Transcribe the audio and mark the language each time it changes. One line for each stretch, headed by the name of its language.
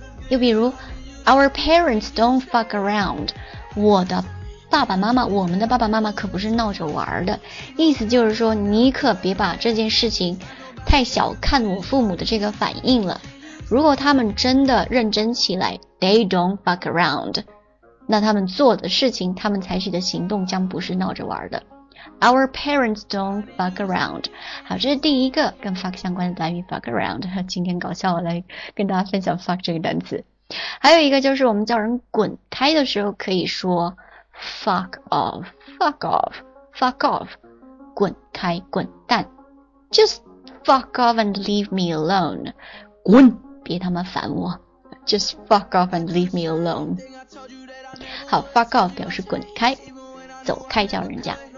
Chinese: 又比如
English: our parents don't fuck around,
Chinese: 我的爸爸妈妈，我们的爸爸妈妈可不是闹着玩的，意思就是说你可别把这件事情太小看我父母的这个反应了。如果他们真的认真起来
English: They don't fuck around，
Chinese: 那他们做的事情，他们采取的行动将不是闹着玩的。
English: Our parents don't fuck around。
Chinese: 好，这是第一个跟 fuck 相关的单语 fuck around。今天搞笑我来跟大家分享 fuck 这个单词。还有一个就是我们叫人滚开的时候可以说
English: fuck off fuck off fuck off，
Chinese: 滚开滚蛋，
English: just fuck off and leave me alone，
Chinese: 滚，别他妈烦我， just fuck off and leave me alone。好， fuck off 表示滚开走开叫人家。